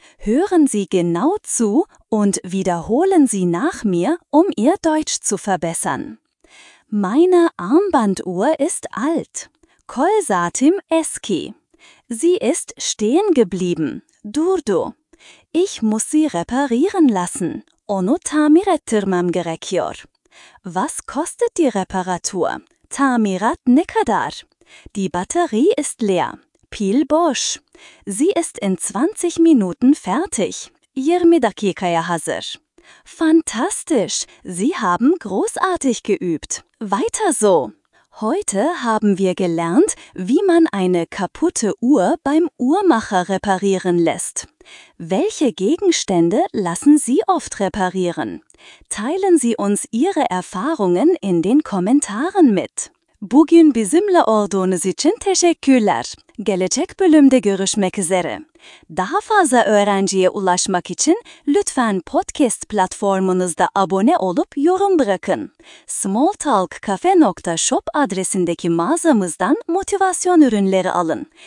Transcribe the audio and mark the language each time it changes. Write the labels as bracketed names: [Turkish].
[German] Hören Sie genau zu und wiederholen Sie nach mir, um Ihr Deutsch zu verbessern. Meine Armbanduhr ist alt. [Turkish] Kolsatim eski. [German] Sie ist stehen geblieben. [Turkish] Durdu. [German] Ich muss sie reparieren lassen. [Turkish] Onu tamir ettirmem gerekiyor. [German] Was kostet die Reparatur? [Turkish] Tamirat ne kadar? [German] Die Batterie ist leer. [Turkish] Pil boş. [German] Sie ist in 20 Minuten fertig. [Turkish] 20 dakikaya hazır. [German] Fantastisch! Sie haben großartig geübt. Weiter so! Heute haben wir gelernt, wie man eine kaputte Uhr beim Uhrmacher reparieren lässt. Welche Gegenstände lassen Sie oft reparieren? Teilen Sie uns Ihre Erfahrungen in den Kommentaren mit. [Turkish] Bugün bizimle olduğunuz için teşekkürler. Gelecek bölümde görüşmek üzere. Daha fazla öğrenciye ulaşmak için lütfen podcast platformunuzda abone olup yorum bırakın. smalltalkcafe.shop adresindeki mağazamızdan motivasyon ürünleri alın.